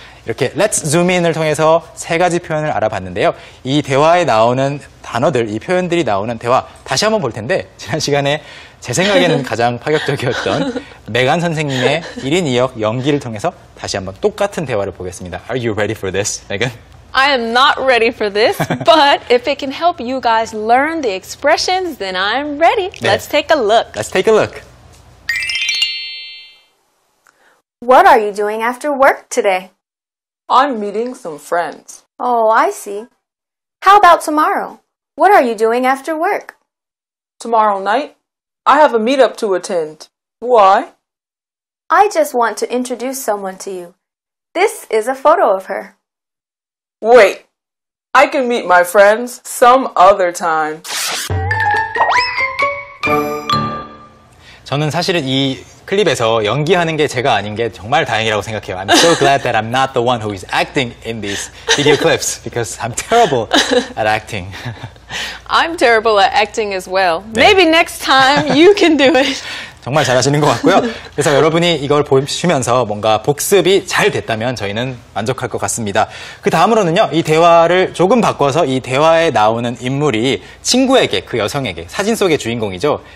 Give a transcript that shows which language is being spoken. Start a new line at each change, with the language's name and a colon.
Korean: 이렇게
English: let's zoom in
Korean: 을 통해서 세 가지 표현을 알아봤는데요. 이 대화에 나오는 단어들, 이 표현들이 나오는 대화 다시 한번 볼 텐데 지난 시간에 제 생각에는 가장 파격적이었던 메간 선생님의 1인 2역 연기를 통해서 다시 한번 똑같은 대화를 보겠습니다.
English: Are you ready for this, Megan? I am not ready for this, but if it can help you guys learn the expressions, then I'm ready. Let's
Korean: 네.
English: take a look. Let's take a look. What are you doing after work today? I'm meeting some friends. Oh, I see. How about tomorrow? What are you doing after work? Tomorrow night? I have a meetup to attend. Why? I just want to introduce someone to you. This is a photo of her. Wait, I can meet my friends some other time.
Korean: 저는 사실은 이 클립에서 연기하는 게 제가 아닌 게 정말 다행이라고 생각해요.
English: I'm so glad that I'm not the one who is acting in these video clips because I'm terrible at acting. I'm terrible at acting as well.
Korean: 네.
English: Maybe next time you can do it.
Korean: 정말 잘하시는 것 같고요. 그래서 여러분이 이걸 보시면서 뭔가 복습이 잘 됐다면 저희는 만족할 것 같습니다. 그 다음으로는요. 이 대화를 조금 바꿔서 이 대화에 나오는 인물이 친구에게, 그 여성에게, 사진 속의 주인공이죠.